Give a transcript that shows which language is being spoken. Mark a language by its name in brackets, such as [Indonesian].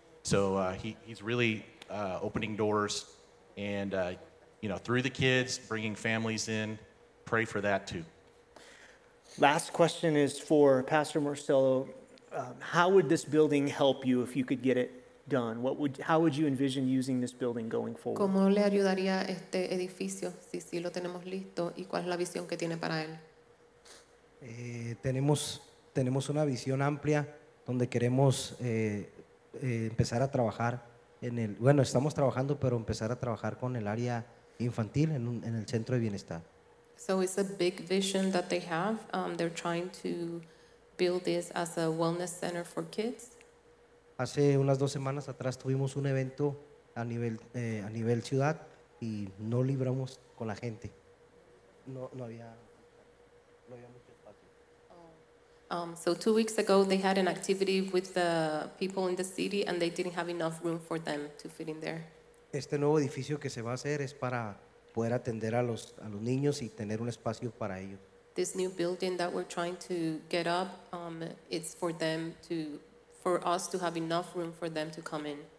[English] So he's really opening doors and, you know, through the kids, bringing families in. Pray for that too. Last question is for Pastor Marcelo. How would this building help you if you could get it done? How would you envision using this building going forward? [Spanish] ¿Cómo le ayudaría este edificio si lo tenemos listo, y cuál es la visión que tiene para él? Tenemos una visión amplia donde queremos empezar a trabajar en el, bueno, estamos trabajando, pero empezar a trabajar con el área infantil en el centro de bienestar. [English] So it's a big vision that they have. They're trying to build this as a wellness center for kids. [Spanish] Hace unas dos semanas atrás tuvimos un evento a nivel ciudad y no libramos con la gente. No había mucho espacio. [English] So 2 weeks ago they had an activity with the people in the city and they didn't have enough room for them to fit in there. [Spanish] Este nuevo edificio que se va a hacer es para poder atender a los niños y tener un espacio para ellos. [English] This new building that we're trying to get up, it's for us to have enough room for them to come in.